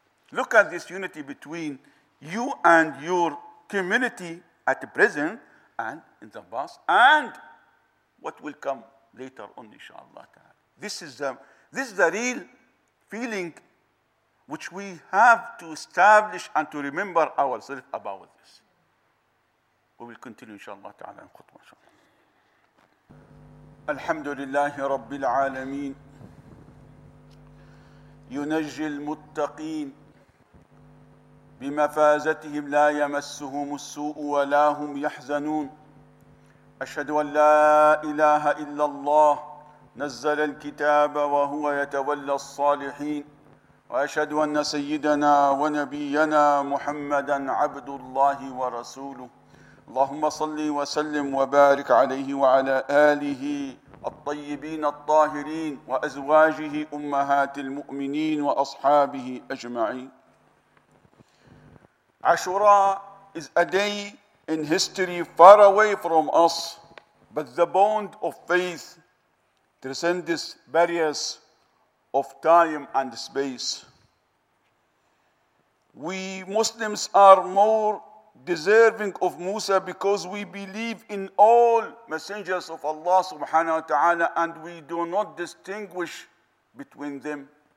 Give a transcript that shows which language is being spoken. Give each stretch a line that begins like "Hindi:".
English: Look at this unity between you and your community at present, and in the past, and what will come later on, inshallah. This is the real feeling which we have to establish and to remember ourselves about this. We will continue, inshallah, in khutbah, inshallah.
Arabic: الحمد لله رب العالمين ينجي المتقين بمفازتهم لا يمسهم السوء ولا هم يحزنون أشهد أن لا إله إلا الله نزل الكتاب وهو يتولى الصالحين وأشهد أن سيدنا ونبينا محمدًا عبد الله ورسوله اللهم صلِّ وسلِّم وبارِك عليه وعلى آله الطيبين الطاهرين وأزواجه أمهات المؤمنين وأصحابه أجمعين.
English: عاشوراء is a day in history far away from us, but the bond of faith transcends barriers of time and space. We Muslims are more deserving of Musa because we believe in all messengers of Allah subhanahu wa ta'ala and we do not distinguish between them.